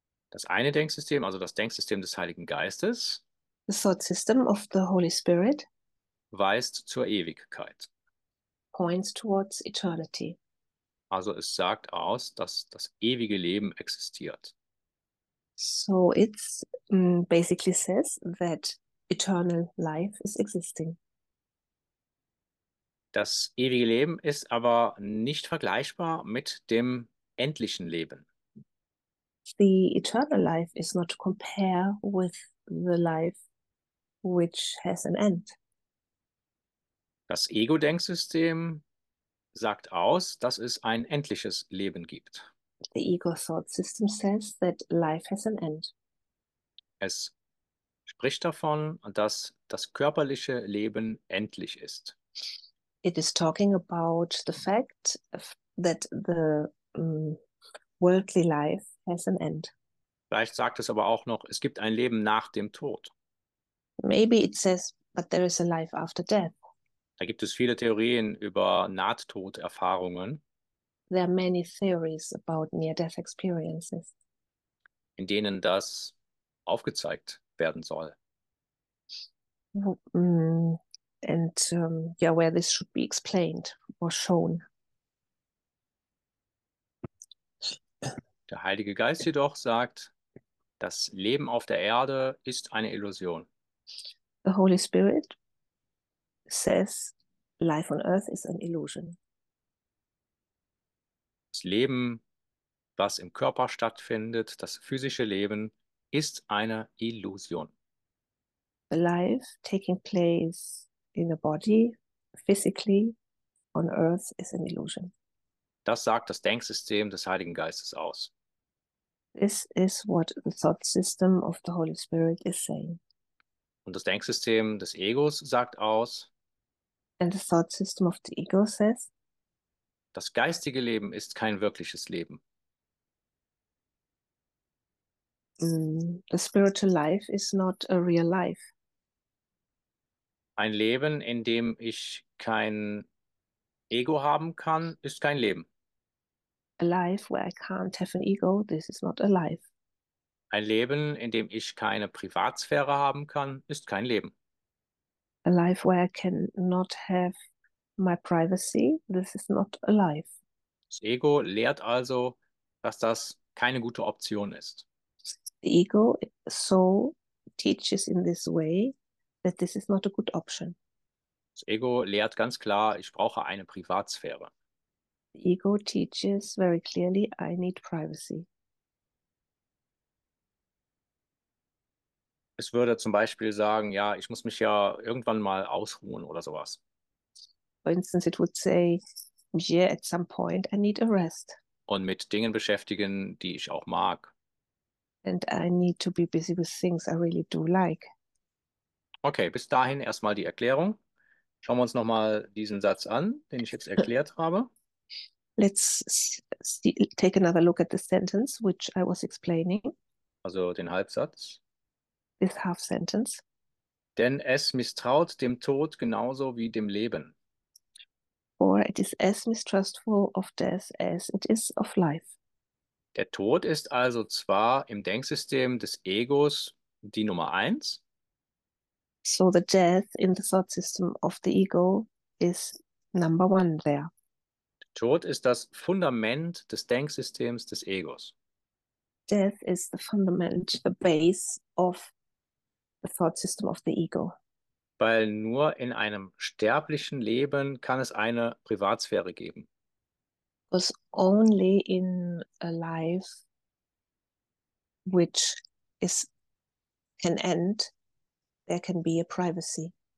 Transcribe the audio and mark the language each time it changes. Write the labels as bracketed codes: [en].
[de] Das eine Denksystem, also das Denksystem des Heiligen Geistes, [en] the thought system of the Holy Spirit, [de] weist zur Ewigkeit. [en] Points towards eternity. [de] Also es sagt aus, dass das ewige Leben existiert. [en] So it's basically says that eternal life is existing. [de] Das ewige Leben ist aber nicht vergleichbar mit dem endlichen Leben. [en] The eternal life is not to compare with the life which has an end. [de] Das Ego-Denksystem sagt aus, dass es ein endliches Leben gibt. [en] The ego thought system says that life has an end. [de] Es spricht davon, dass das körperliche Leben endlich ist. [en] It is talking about the fact that the worldly life has an end. [de] Vielleicht sagt es aber auch noch, es gibt ein Leben nach dem Tod. [en] Maybe it says, but there is a life after death. [de] Da gibt es viele Theorien über Nahtoderfahrungen. [en] There are many theories about near-death experiences. [de] In denen das aufgezeigt werden soll. [en] And where this should be explained or shown. [de] Der Heilige Geist jedoch sagt, das Leben auf der Erde ist eine Illusion. [en] The Holy Spirit says, life on earth is an illusion. [de] Das Leben, was im Körper stattfindet, das physische Leben, ist eine Illusion. [en] The life taking place in a body, physically, on earth is an illusion. [de] Das sagt das Denksystem des Heiligen Geistes aus. [en] This is what the thought system of the Holy Spirit is saying. [de] Und das Denksystem des Egos sagt aus, [en] and the thought system of the ego says, [de] das geistige Leben ist kein wirkliches Leben. [en] The spiritual life is not a real life. [de] Ein Leben, in dem ich kein Ego haben kann, ist kein Leben. [en] A life where I can't have an ego, this is not a life. [de] Ein Leben, in dem ich keine Privatsphäre haben kann, ist kein Leben. [en] A life where I cannot have my privacy, this is not a life. [de] Das Ego lehrt also, dass das keine gute Option ist. [en] The ego so teaches in this way that this is not a good option. [de] Das Ego lehrt ganz klar, ich brauche eine Privatsphäre. [en] The ego teaches very clearly, I need privacy. [de] Es würde zum Beispiel sagen, ja, ich muss mich ja irgendwann mal ausruhen oder sowas. [en] For instance, it would say, yeah, at some point I need a rest. [de] Und mit Dingen beschäftigen, die ich auch mag. [en] And I need to be busy with things I really do like. [de] Okay, bis dahin erstmal die Erklärung. Schauen wir uns nochmal diesen Satz an, den ich jetzt erklärt habe. [en] Let's see, take another look at the sentence which I was explaining. [de] Also den Halbsatz. [en] This half sentence. [de] Denn es misstraut dem Tod genauso wie dem Leben. [en] Or it is as mistrustful of death as it is of life. [de] Der Tod ist also zwar im Denksystem des Egos die Nummer eins. [en] So the death in the thought system of the ego is number one there. [de] Tod ist das Fundament des Denksystems des Egos. [en] Death is the fundament, the base of the thought system of the ego. [de] Weil nur in einem sterblichen Leben kann es eine Privatsphäre geben. [en] Because only in a life which is can end, there can be a privacy.